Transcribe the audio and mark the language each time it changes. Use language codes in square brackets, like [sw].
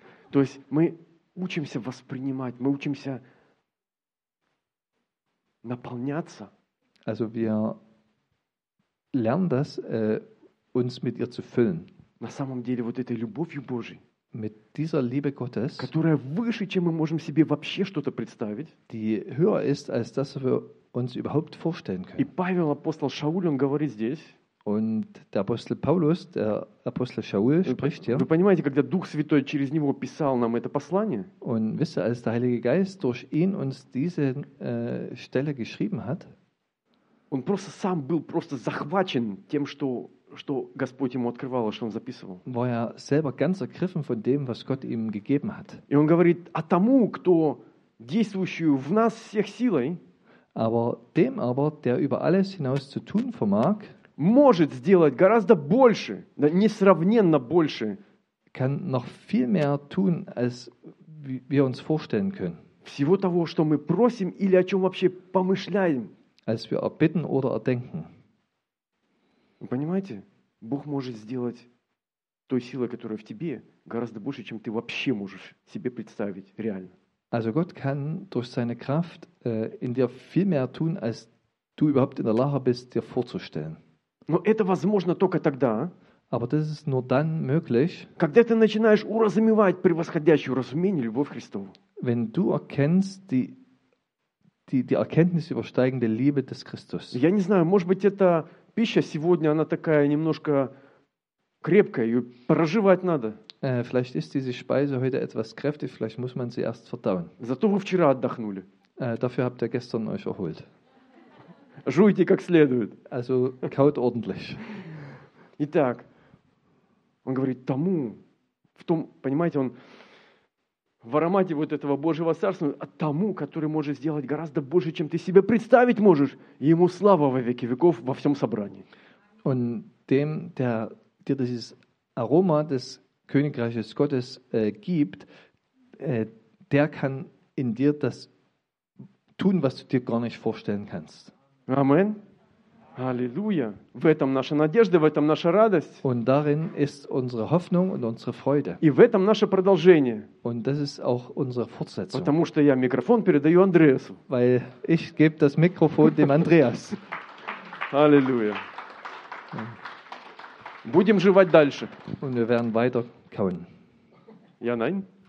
[ru] То есть мы учимся воспринимать, мы учимся наполняться. [de] Also wir lernen das, uns mit ihr zu füllen. [ru] На самом деле, вот этой любовью Божией, [de] mit dieser Liebe Gottes, [ru] которая выше, чем мы можем себе вообще что-то представить, [de] die höher ist, als das wir uns überhaupt vorstellen können. [ru] И Павел, апостол Шауль, он говорит здесь, [de] und der Apostel Paulus, der Apostel Shaul, spricht hier. [ru] Вы понимаете, когда Дух Святой через него писал нам это послание? [de] Und wisst ihr, als der Heilige Geist durch ihn uns diese Stelle geschrieben hat, [ru] он просто сам был просто захвачен тем, что Господь ему открывал, что он записывал. [de] War er selber ganz ergriffen von dem, was Gott ihm gegeben hat. [ru] И он говорит, а тому, кто действующую в нас всех силой, [de] aber dem aber, der über alles hinaus zu tun vermag, [ru] может сделать гораздо больше, несравненно больше, [de] kann noch viel mehr tun, als wir uns vorstellen können. [ru] Всего того, что мы просим или о чем вообще помышляем, [de] als wir erbitten oder erdenken. [ru] Вы понимаете, Бог может сделать той силой, которая в тебе, гораздо больше, чем ты вообще можешь себе представить реально. [de] Also Gott kann durch seine Kraft in dir viel mehr tun, als du überhaupt in der Lage bist, dir vorzustellen. [ru] Но это возможно только тогда, [de] aber das ist nur dann möglich, [ru] когда ты начинаешь уразумевать превосходящую разумение любовь Христову. [de] Wenn du erkennst die Erkenntnis übersteigende Liebe des Christus. [ru] Я не знаю, может быть, это пища сегодня, она такая немножко крепкая, ее проживать надо. [de] Vielleicht ist diese Speise heute etwas kräftig, vielleicht muss man sie erst verdauen. [ru] Зато вы вчера отдохнули. [de] Dafür habt ihr gestern euch erholt. [ru] Жуйте как следует. [de] Also kaut ordentlich. [ru] Итак, он говорит тому, в том, понимаете, он в аромате вот этого Божьего царства, а тому, который может сделать гораздо больше, чем ты себе представить можешь, ему слава во веки веков во всем собрании. [de] Und dem, der dir dieses Aroma des Königreiches Gottes gibt, der kann in dir das tun, was du dir gar nicht vorstellen kannst. Amen. Halleluja. [ru] В этом наша надежда, в этом наша радость. [de] Und darin ist unsere Hoffnung und unsere Freude. [ru] И в этом наше продолжение. [de] Und das ist auch unsere Fortsetzung. [ru] Потому что я микрофон передаю Андреасу. [de] Weil ich gebe das Mikrofon dem Andreas. Halleluja. [ru] Будем жевать дальше. [de] Und wir werden weiter kauen. Ja, nein.